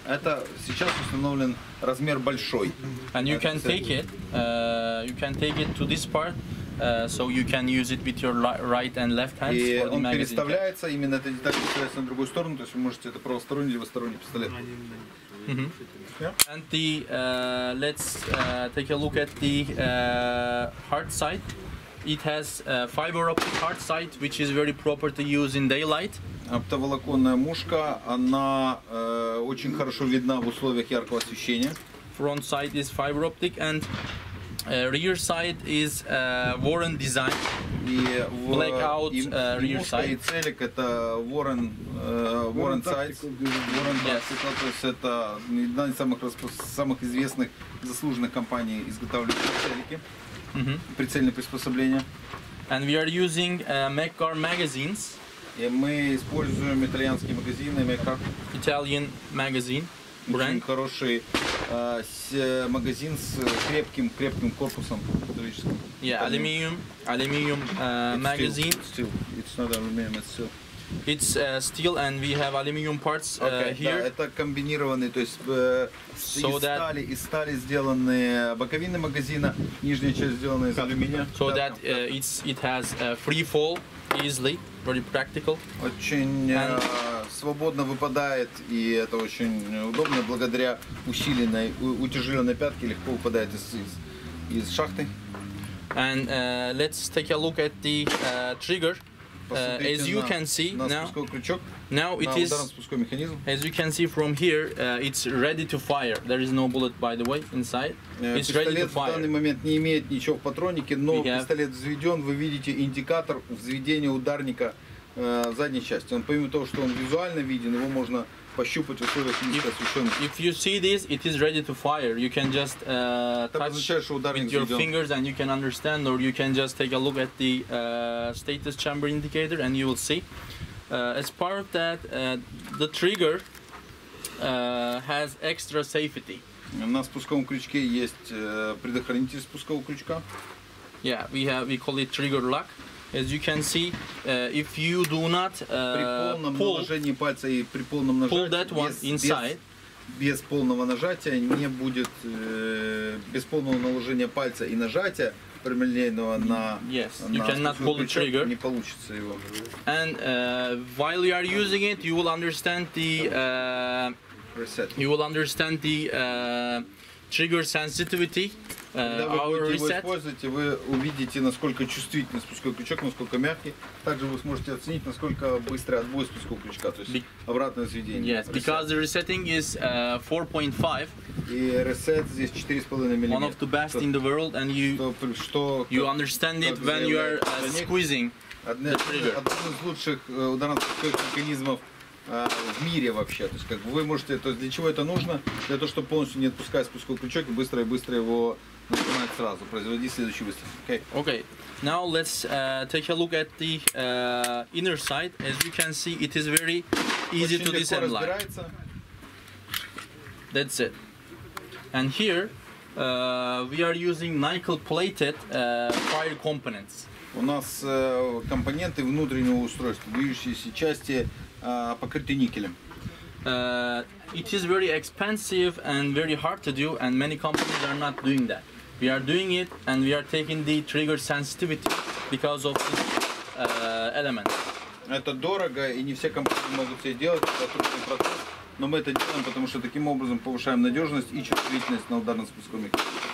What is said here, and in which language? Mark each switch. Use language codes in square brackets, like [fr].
[ru] Это сейчас установлен размер большой. [en] And you can take it. You can take it to this part, so you can use it with your right and left hands. [ru] И он переставляется именно этой деталью на другую сторону, то есть вы можете это правосторонний или левосторонний пистолет. Mm-hmm. [en] Yeah. And the let's take a look at the hard side. It has a fiber optic hard sight, which is very proper to use in daylight. [ru] Оптоволоконная мушка, она очень хорошо видна в условиях яркого освещения. [en] Front side is fiber optic and rear side is Warren design. Blackout rear side. [ru] И мушка и целик это Warren sights. Warren sights. То есть это одна из самых известных заслуженных компаний изготавливающих целики. Mm-hmm. Прицельное приспособление. [en] And we are using Maccar magazines. [ru] И мы используем итальянские магазины Maccar. [en] Italian magazine brand. [ru] Очень хороший магазин с крепким корпусом металлическим. [en] Yeah, aluminium it's magazine. Steel. It's not aluminium, it's steel. It's steel and we have aluminium parts here. [ru] Да, это комбинированный, то есть so из стали сделаны боковины магазина, нижняя часть сделана из алюминия. [en] So that it has free fall easily, very practical. [ru] Очень свободно выпадает и это очень удобно благодаря усиленной утяжеленной пятке легко выпадает из шахты. [en] And let's take a look at the trigger. As you can see now it is. As you can see from here, it's ready to fire. There is no bullet, by the way, inside. It's ready to fire. [ru] Пистолет в данный момент не имеет ничего в патронике, но пистолет взведен. Вы видите индикатор взведения ударника в задней части. Он помимо того, что он визуально виден, его можно пощупать в условиях низко освещенности. [en] If you see this, it is ready to fire. You can just touch with your fingers and you can understand, or you can just take a look at the status chamber indicator and you will see. As part of that, the trigger has extra safety. [ru] На спусковом крючке есть предохранитель спускового крючка. [en] Yeah, we call it trigger lock. As you can see, if you do not pull that one inside, [ru] без полного нажатия не будет без полного наложения пальца и нажатия прямолинейного на спусковой крючок не получится его. [en] And while you are using it, you will understand the reset. You will understand the trigger sensitivity. [ru] Используете, вы увидите, насколько чувствительный спусковой крючок, насколько мягкий. Также вы сможете оценить, насколько быстрый отбой спускового крючка, то есть обратное заведение. [en] Yes, because the resetting is 4.5. [ru] И ресет здесь 4.5 мм. [en] One of the best in the world, and you understand it when you are squeezing. [ru] Один из лучших ударных механизмов в мире вообще. То есть, как бы вы можете, то есть для чего это нужно? Для того, чтобы полностью не отпускать спусковой крючок и быстро и быстро его нажимать сразу. Производить следующий выстрел. [en] Okay. Okay. Now let's take a look at the inner side. As you can see, it is very easy [ru] очень [en] to disassemble. That's it. And here we are using nickel plated fire components. [ru] У нас компоненты внутреннего устройства, движущиеся части, покрыты никелем. [en] It is very expensive and very hard to do, and many companies are not doing that. We are doing it, and we are taking the trigger sensitivity because of this element. [ru] Это дорого, и не все компании могут себе делать, это трудный процесс. Но мы это делаем, потому что таким образом повышаем надежность и чувствительность на ударном спусковом крючке.